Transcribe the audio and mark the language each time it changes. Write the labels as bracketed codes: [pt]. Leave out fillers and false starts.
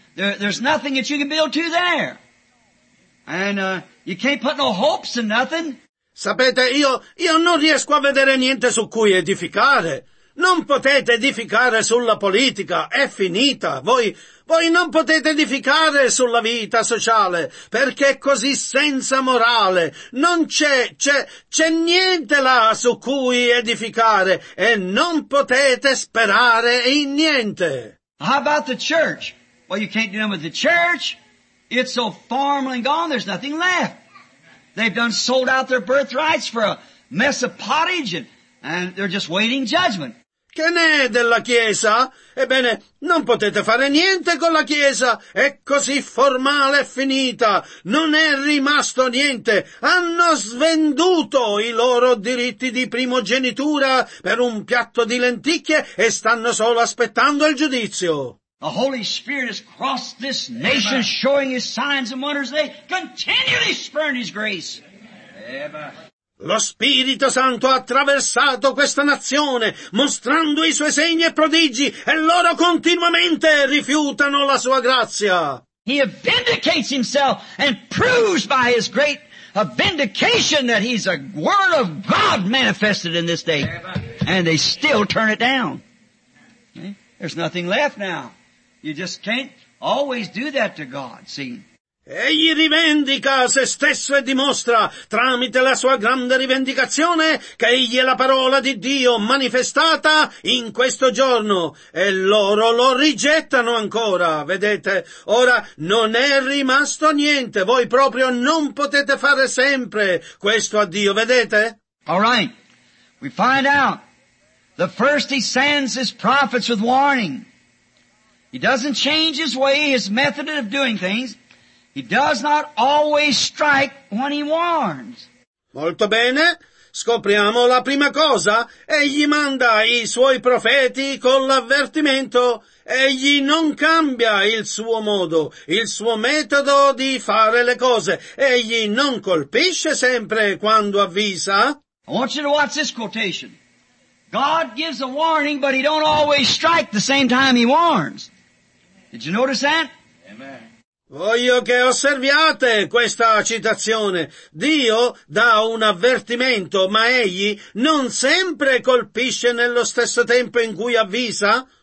[en] There's nothing that you can build to there. And you can't put no hopes in nothing. [it] Sapete, io non riesco a vedere niente su cui edificare. Non potete edificare sulla politica, è finita. Voi non potete edificare sulla vita sociale, perché è così senza morale. Non c'è niente là su cui edificare, e non potete sperare in niente. [en] How about the church? Well, you can't do nothing with the church. It's so formerly gone, there's nothing left. They've done sold out their birthrights for a mess of pottage, and they're just waiting judgment. [it] Che ne è della Chiesa? Ebbene, non potete fare niente con la Chiesa. È così formale e finita. Non è rimasto niente. Hanno svenduto i loro diritti di primogenitura per un piatto di lenticchie e stanno solo aspettando il giudizio. [en] The Holy Spirit has crossed this nation, Amen. Showing His signs and wonders. They continually spurn His grace. Amen. [it] Lo Spirito Santo ha attraversato questa nazione, mostrando i suoi segni e prodigi, e loro continuamente rifiutano la sua grazia. [en] He vindicates himself and proves by his great vindication that he's a word of God manifested in this day. And they still turn it down. There's nothing left now. You just can't always do that to God, see? [it] Egli rivendica se stesso e dimostra, tramite la sua grande rivendicazione, che egli è la parola di Dio manifestata in questo giorno. E loro lo rigettano ancora, vedete? Ora non è rimasto niente. Voi proprio non potete fare sempre questo a Dio, vedete? [en] All right. We find out. The first he sends his prophets with warning. He doesn't change his way, his method of doing things. He does not always strike when he warns. [it] Molto bene. Scopriamo la prima cosa. Egli manda i suoi profeti con l'avvertimento. Egli non cambia il suo modo, il suo metodo di fare le cose. Egli non colpisce sempre quando avvisa. [en] I want you to watch this quotation. God gives a warning, but he don't always strike the same time he warns. Did you notice that? Amen. [it] Voglio che osserviate questa citazione. Dio dà un avvertimento, ma egli non sempre colpisce nello stesso tempo in cui avvisa.